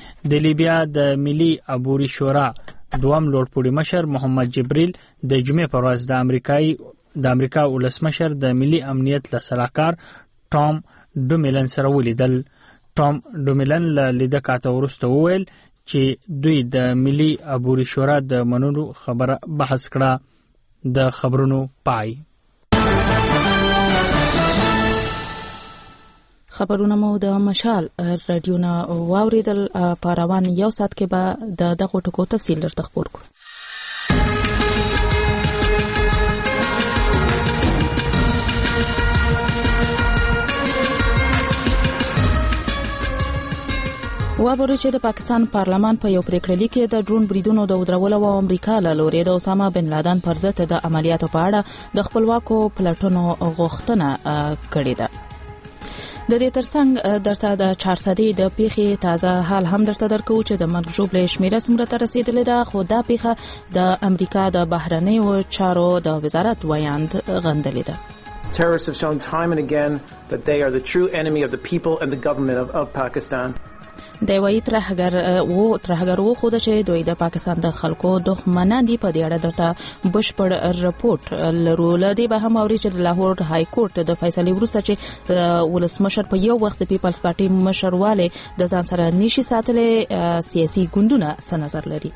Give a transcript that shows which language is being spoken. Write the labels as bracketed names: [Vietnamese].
[Pashto] د لیبیا د ملي عبوري شورا دوام لوړ پوړي مشر محمد جبریل د جمعې پر ورځ د امریکا ولسمشر د ملي امنیت له سلاحکار ټام ډوملن سره ولیدل. ټام ډوملن له لیده کاته وروسته وویل چې دوی د ملي عبوري شورا د منلو خبره بحث کړه. د خبرونو پای خبرونه مو د مشال رادیو نه واوریدل. په روان یو سات کې به د دغه ټکو تفصیل درته خبر کړو. وابرو چې د پاکستان پارلمان په یو پریکړه لیکې د ډرون بریدونو د ودرولو او امریکا له لورې د اسامه بن لادن پر ضد د عملیاتو په اړه د خپلواکو پلټونو غوښتنه کړې ده. د دې ترڅنګ درته د 400 د پیښې تازه حال هم درته درکو چې د مرګ ژوبلې شمیره څومره ته رسیدلې ده. خو دا پیښه د امریکا د بهرنۍ او چارو د وزارت ویاند غندلې ده. [English] Terrorists have shown time and again that they are the true enemy of the people and the government of Pakistan. [Pashto] د وی ترهګر وو خود چې دوی د پاکستان د خلکو دښمنه دي. په دې اړه درته بشپړ رپورټ لرو. له دې به هم اوري چې د لاهور های کورټ د فیصلې وروسته چې ولسمشر په یو وخت د پیپلز پارټي مشر والي د ځان سره نیشي ساتلې سیاسي ګوندونه سره نظر لري.